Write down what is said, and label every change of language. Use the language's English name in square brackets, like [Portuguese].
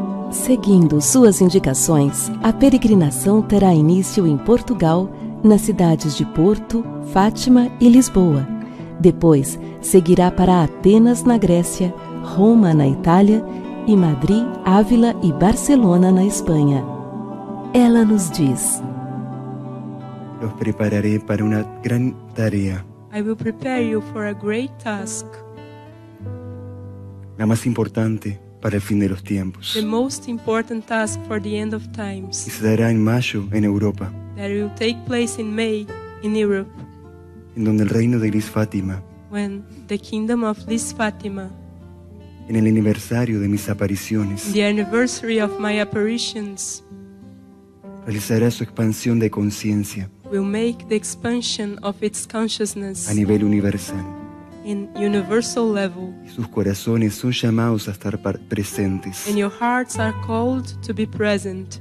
[Portuguese] Seguindo suas indicações, a peregrinação terá início em Portugal, nas cidades de Porto, Fátima e Lisboa. Depois, seguirá para Atenas, na Grécia, Roma, na Itália e Madrid, Ávila e Barcelona, na Espanha. Ela nos diz: [Spanish] Los prepararé para una gran tarea. [English] I will prepare you for a great task. [Spanish] La más importante para el fin de los tiempos. [English] The most important task for the end of times. [Spanish] Y se dará en mayo en Europa. [English] That will take place in May in Europe. [Spanish] En donde el reino de Liz Fátima. [English] When the kingdom of Liz Fátima. [Spanish] En el aniversario de mis apariciones. [English] The anniversary of my apparitions. [Spanish] Realizará su expansión de conciencia. [English] Will make the expansion of its consciousness. [Spanish] A nivel universal. [English] In universal level. [Spanish] Y sus corazones son llamados a estar presentes. [English] And your hearts are called to be present.